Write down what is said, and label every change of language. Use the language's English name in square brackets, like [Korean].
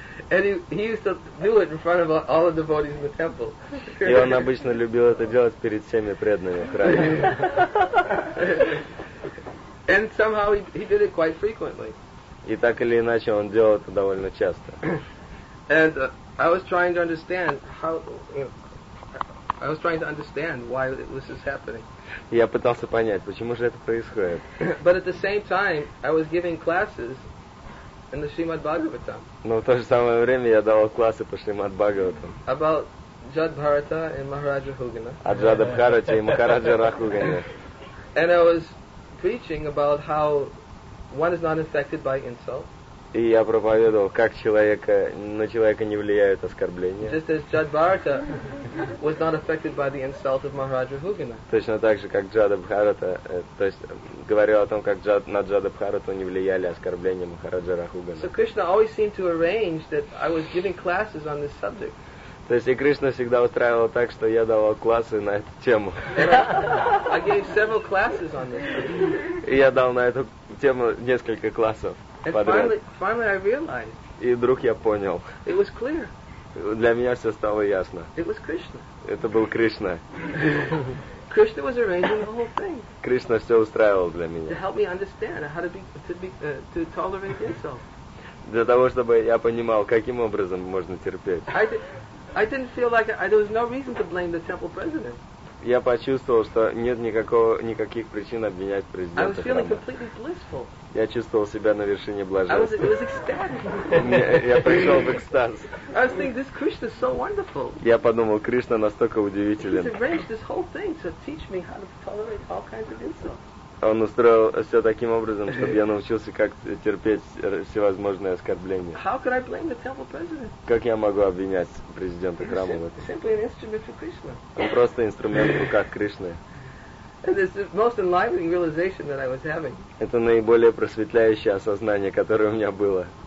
[English] And he used to do it in front of all the devotees in the temple. [Russian] И он обычно любил это делать перед всеми преданными в храме. [English] And somehow he did it quite frequently. [Russian] И так или иначе он делал это довольно часто. [English] And I was trying to understand how, I was trying to understand why this is happening. [Russian] Я пытался понять, почему же это происходит. [English] But at the same time, I was giving classes in the Srimad Bhagavatam. [Russian] Но в то же самое время я давал классы по Шримад Бхагаватам. [English] About Jada Bharata and Maharaj Rahugana. [Russian] О Джада Бхарате и Махараджа Рахугане. [English] And I was preaching about how one is not affected by insult. [Russian] И я проповедовал, как на человека не влияют оскорбления. [English] Just as Jada Bharata was not affected by the insult of Maharaj Rahugana. [Russian] Точно так же, как Джада Бхарата, то есть говорил о том, как на Джада Бхарату не влияли оскорбления Махараджа Рахугана. [English] So Krishna always seemed to arrange that I was giving classes on this subject. [Russian] То есть и Кришна всегда устраивала так, что я давал классы на эту тему. [English] I gave several classes on this. [Russian] И я дал на эту тему несколько классов. [English] And finally I realized. [Russian] И вдруг я понял. [English] It was clear. [Russian] Для меня все стало ясно. [English] It was Krishna. [Russian] Это был Кришна. [English] Krishna was arranging the whole thing. [Russian] Кришна все устраивал для меня. [English] To help me understand how to tolerate insult. [Russian] Для того, чтобы я понимал, каким образом можно терпеть. [English] I didn't feel like there was no reason to blame the temple president. [Russian] Я почувствовал, что нет никаких причин обвинять президента. [English] I was feeling completely blissful. [Russian] Я чувствовал себя на вершине блаженства. [English] I was ecstatic. [Russian] Я пришел в экстаз. [English] I was thinking this Krishna is so wonderful. [Russian] Я подумал, Кришна настолько удивителен. [English] He's arranged this whole thing to teach me how to tolerate all kinds of insults. [Russian] Он устроил все таким образом, чтобы я научился, как терпеть всевозможные оскорбления. [English] How could I blame the temple president? [Russian] Как я могу обвинять президента храма в этом? [English] Simply an instrument for Krishna. [Russian] Он просто инструмент в руках Кришны. Это наиболее просветляющее осознание, которое у меня было.